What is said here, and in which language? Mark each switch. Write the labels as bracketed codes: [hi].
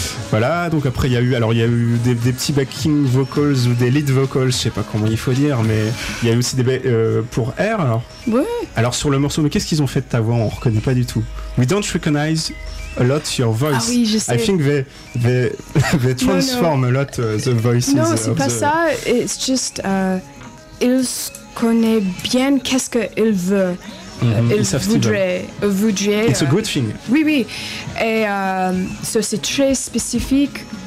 [fr] Voilà, donc après il y a eu des petits backing vocals ou des lead vocals, je sais pas comment il faut dire, mais il y a eu aussi des pour R alors. Ouais. Alors sur le morceau, mais qu'est-ce qu'ils ont fait de ta voix? On reconnaît pas du tout. [en] We don't recognize a lot your voice. [fr] Ah oui, je sais. [en] I think they transform a lot the voices. [fr] Non, c'est pas ça. [en] It's just [fr] ils connaissent bien qu'est-ce qu'ils veulent. Ils voudraient. [en] It's a good thing. [fr] Oui, oui. Et so c'est très spécifique.